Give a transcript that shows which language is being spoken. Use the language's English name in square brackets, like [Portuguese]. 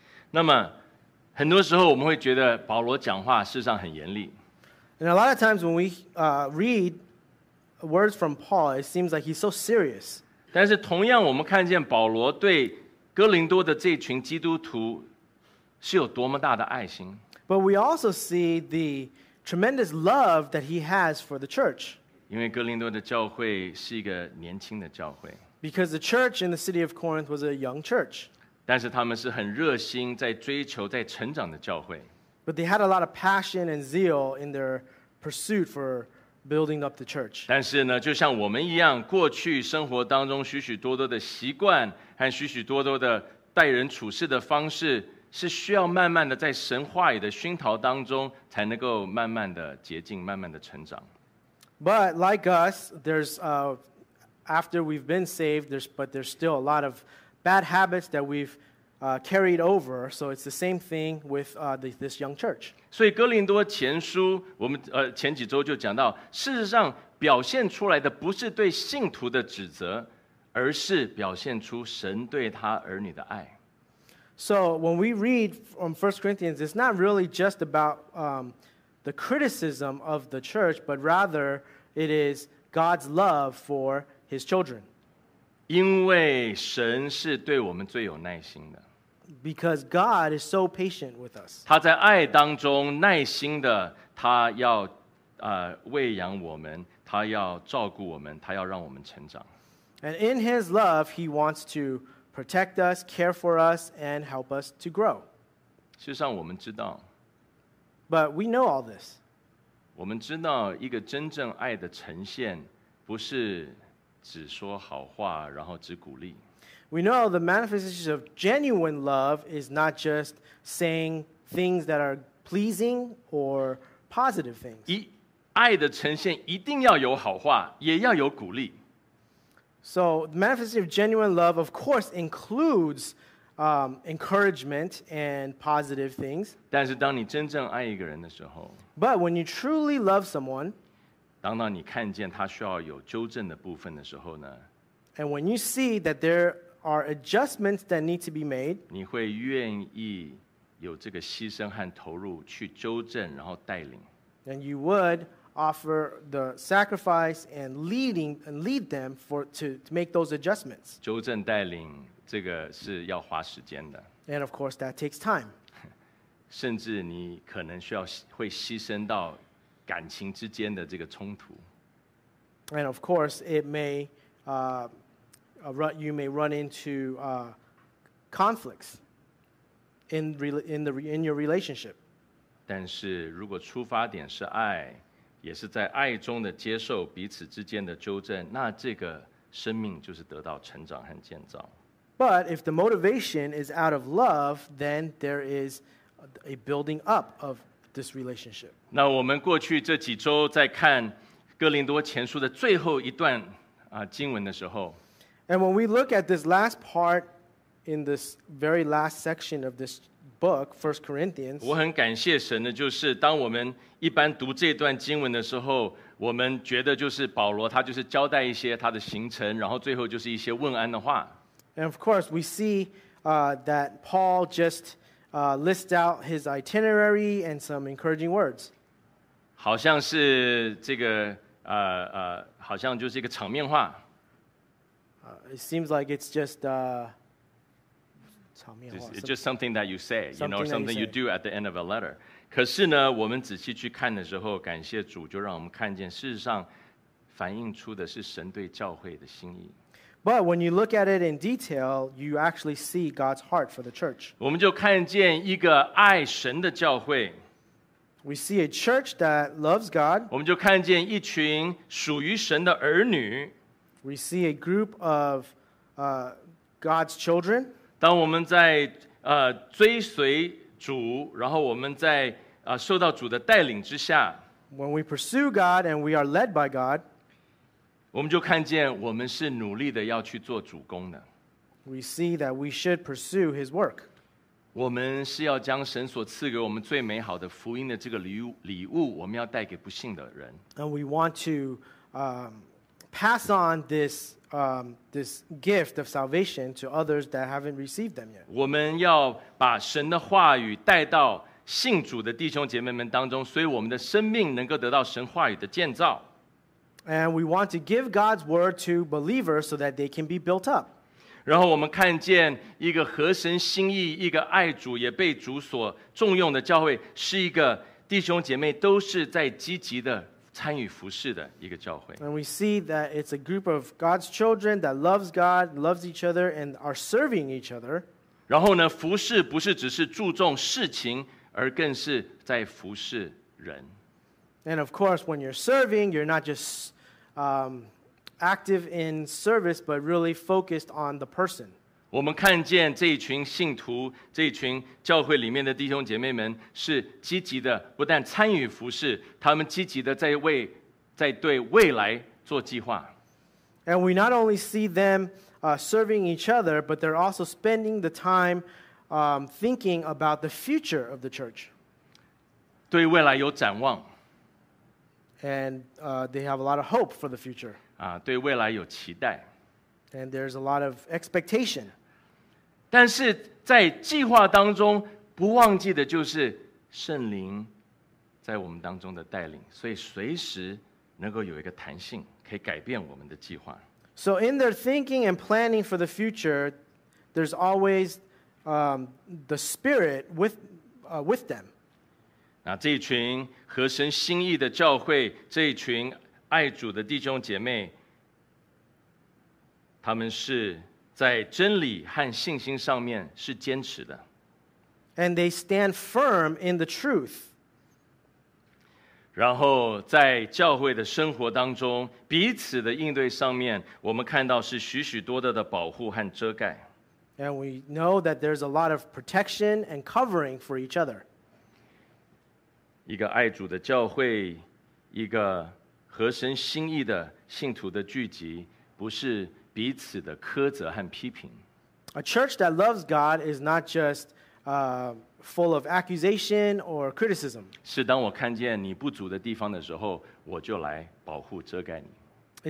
[Chinese] 那么很多时候我们会觉得保罗讲话事实上很严厉。 [English] And a lot of times when we read words from Paul, it seems like he's so serious. [Chinese] 但是同样我们看见保罗对哥林多的这群基督徒是有多么大的爱心。 [English] But we also see the tremendous love that he has for the church. [Chinese] 因为哥林多的教会是一个年轻的教会。 [English] Because the church in the city of Corinth was a young church. [Chinese] 但是他们是很热心在追求在成长的教会。 [English] But they had a lot of passion and zeal in their pursuit for building up the church. [Chinese] 但是呢，就像我们一样，过去生活当中许许多多的习惯和许许多多的待人处事的方式，是需要慢慢的在神话语的熏陶当中，才能够慢慢的洁净，慢慢的成长。 [English] But like us, there's after we've been saved, there's still a lot of bad habits that we've carried over, so it's the same thing with this young church. [Chinese] 所以哥林多前书，我们前几周就讲到，事实上表现出来的不是对信徒的指责，而是表现出神对他儿女的爱。 [English] So when we read from 1 Corinthians, it's not really just about the criticism of the church, but rather it is God's love for His children. [Chinese] 因为神是对我们最有耐心的。 [English] Because God is so patient with us. [Chinese] 他在爱当中耐心的，他要喂养我们，他要照顾我们，他要让我们成长。 [English] And in His love, He wants to protect us, care for us, and help us to grow. [Chinese] 事实上，我们知道。 [English] But we know all this. [Chinese] 我们知道一个真正爱的呈现，不是只说好话，然后只鼓励。 [English] We know the manifestation of genuine love is not just saying things that are pleasing or positive things. [Chinese] 爱的呈现一定要有好话，也要有鼓励。 [English] So the manifestation of genuine love, of course, includes encouragement and positive things. [Chinese] 但是当你真正爱一个人的时候， [English] But when you truly love someone, [Chinese] 当你看见他需要有纠正的部分的时候呢， [English] And when you see that there are adjustments that need to be made, [Chinese] 你会愿意有这个牺牲和投入去纠正然后带领。 [English] Then you would offer the sacrifice and lead them to make those adjustments. [Chinese] 纠正带领这个是要花时间的。 [English] And of course that takes time. [Chinese] 甚至你可能需要会牺牲到感情之间的这个冲突。 [English] And of course it may you may run into conflicts in your relationship. [Chinese] 但是如果出发点是爱，也是在爱中的接受彼此之间的纠正，那这个生命就是得到成长和建造。 [English] But if the motivation is out of love, then there is a building up of this relationship. [Chinese] 那我们过去这几周在看哥林多前书的最后一段经文的时候， [English] And when we look at this last part in this very last section of this book, 1 Corinthians, [Chinese] 我很感谢神的就是当我们一般读这段经文的时候，我们觉得就是保罗他就是交代一些他的行程，然后最后就是一些问安的话。 [English] And of course, we see that Paul just lists out his itinerary and some encouraging words. [Chinese] 好像是这个好像就是一个场面话。 [English] It seems like it's just 场面话。 It's just something that you say, you know, something you do at the end of a letter. [Chinese] 可是呢，我们仔细去看的时候，感谢主，就让我们看见，事实上反映出的是神对教会的心意。 [English] But when you look at it in detail, you actually see God's heart for the church. [Chinese] 我们就看见一个爱神的教会。 [English] We see a church that loves God. [Chinese] 我们就看见一群属于神的儿女。 [English] We see a group of God's children. [Chinese] 当我们在追随主，然后我们在受到主的带领之下。 [English] When we pursue God and we are led by God. [Chinese] 我们就看见我们是努力的要去做主工的。 [English] We see that we should pursue his work. [Chinese] 我们是要将神所赐给我们最美好的福音的这个礼物我们要带给不信的人。 [English] And we want to pass on this gift of salvation to others that haven't received them yet. [Chinese] 我们要把神的话语带到信主的弟兄姐妹们当中，所以我们的生命能够得到神话语的建造。 [English] And we want to give God's word to believers so that they can be built up. [Chinese] 然后我们看见一个合神心意、一个爱主也被主所重用的教会，是一个弟兄姐妹都是在积极的参与服事的一个教会。 [English] And we see that it's a group of God's children that loves God, loves each other, and are serving each other. [Chinese] 然后呢，服事不是只是注重事情，而更是在服事人。 [English] And of course, when you're serving, you're not just active in service, but really focused on the person. [Chinese] 我们看见这一群信徒，这一群教会里面的弟兄姐妹们是积极的，不但参与服事，他们积极的在对未来做计划。 [English] And we not only see them serving each other, but they're also spending the time thinking about the future of the church. [Chinese] 对未来有展望。 [English] And they have a lot of hope for the future. [Chinese] 对未来有期待。 [English] And there's a lot of expectation. [Chinese] 但是在计划当中，不忘记的就是圣灵在我们当中的带领，所以随时能够有一个弹性，可以改变我们的计划。 [English] So in their thinking and planning for the future, there's always the Spirit with them. [Chinese] 那这一群合神心意的教会，这一群爱主的弟兄姐妹，他们是在真理和信心上面是坚持的。 [English] And they stand firm in the truth. [Chinese] 然后在教会的生活当中，彼此的应对上面，我们看到是许许多多的保护和遮盖。 [English] And we know that there's a lot of protection and covering for each other. [Chinese] 一个爱主的教会，一个合神心意的信徒的聚集，不是彼此的苛责和批评。 [English] A church that loves God is not just full of accusation or criticism. [Chinese] 是当我看见你不足的地方的时候，我就来保护遮盖你。